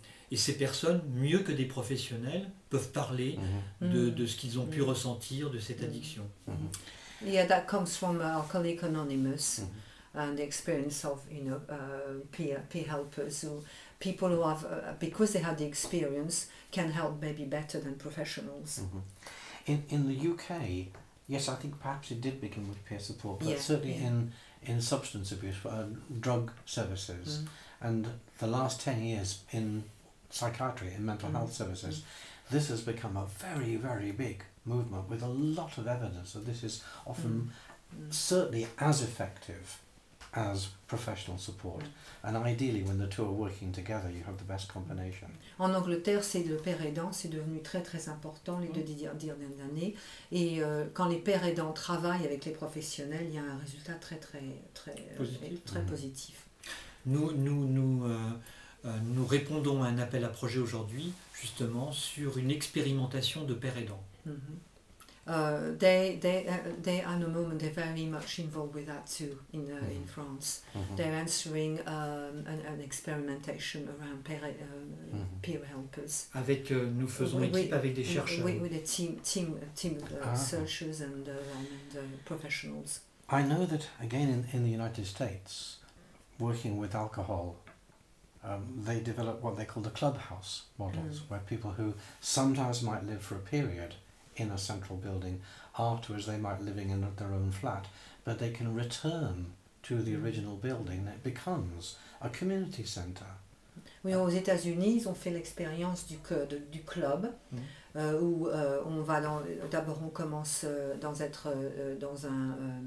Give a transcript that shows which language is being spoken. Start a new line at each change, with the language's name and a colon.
French: Et ces personnes, mieux que des professionnels, peuvent parler de ce qu'ils ont pu ressentir de cette addiction. Mm-hmm.
English: Yeah, that comes from Alcoholics Anonymous and the experience of peer helpers or people who have because they have the experience can help maybe better than professionals. Mm-hmm. In the UK, yes, I think perhaps it did begin with peer support, but in substance abuse drug services, and the last 10 years in psychiatry and mental health services, this has become a very, very big movement with a lot of evidence that this is often certainly as effective as professional support. And ideally, when the two are working together, you have the best combination.
French: En Angleterre, c'est le père aidant, c'est devenu très très important les deux dernières années. Et quand les pères aidants travaillent avec les professionnels, il y a un résultat très très très positif. Très positif. Nous répondons à un appel à projet aujourd'hui, justement, sur une expérimentation de pères aidants.
English: They at the moment they're very much involved with that too in in France. They're answering an experimentation around peer helpers.
French: Avec nous faisons équipe avec des chercheurs.
English: With a team researchers and professionals. I know that again in the United States, working with alcohol, they develop what they call the clubhouse models, where people who sometimes might live for a period in a central building, afterwards they might living in their own flat, but they can return to the original building and it becomes a community centre.
French: Oui, aux États-Unis, ils ont fait l'expérience du club, où on va dans, d'abord on commence dans être dans un...